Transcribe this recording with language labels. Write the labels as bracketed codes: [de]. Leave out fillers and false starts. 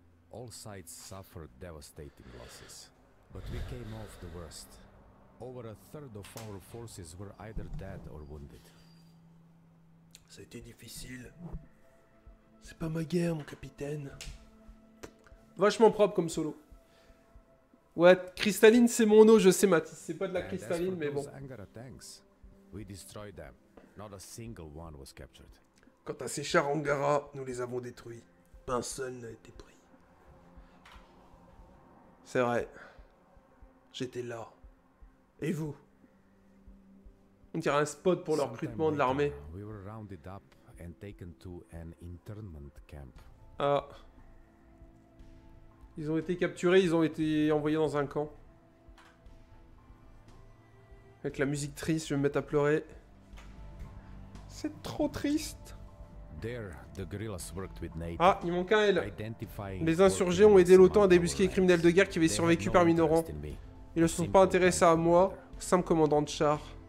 [en] All sides suffered devastating losses, but we came off the worst. Over a third of our forces were either dead or wounded. [fr] Ça a été difficile. C'est pas ma guerre, mon capitaine. Vachement propre comme solo. Ouais, cristalline, c'est mon eau, je sais, Mathis. C'est pas de la cristalline, mais bon. [en] We destroyed them. Not a single one was captured. [fr] Quant à ces chars Angara, nous les avons détruits. Pas un seul n'a été pris. C'est vrai. J'étais là. Et vous? On dirait un spot pour le recrutement de l'armée. [en] We were rounded up and taken to an internment camp. Ah. [fr] Ils ont été capturés, ils ont été envoyés dans un camp. Avec la musique triste, je vais me mettre à pleurer. C'est trop triste. [en] There, the guerrillas worked with Nate. [fr] Ah, il manque un L. Les insurgés ont aidé l'OTAN à débusquer les criminels de guerre qui avaient survécu parmi nos rangs. Ils ne sont pas intéressés à moi, simple commandant de char.